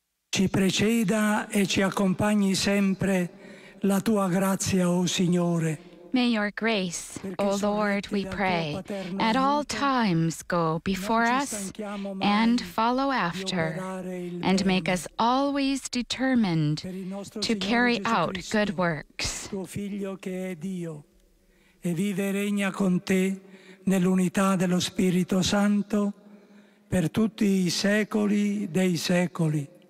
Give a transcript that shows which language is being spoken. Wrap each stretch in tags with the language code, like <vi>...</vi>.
<it>Ci preceda e ci accompagni sempre la tua grazia, o Signore.</it> <en>May your grace, O Lord, we pray, at all times go before us and follow after, and make us always determined to carry out good works.</en> <it>Tuo Figlio che è Dio, e vive e regna con te nell'unità dello Spirito Santo per tutti I secoli dei secoli.</it>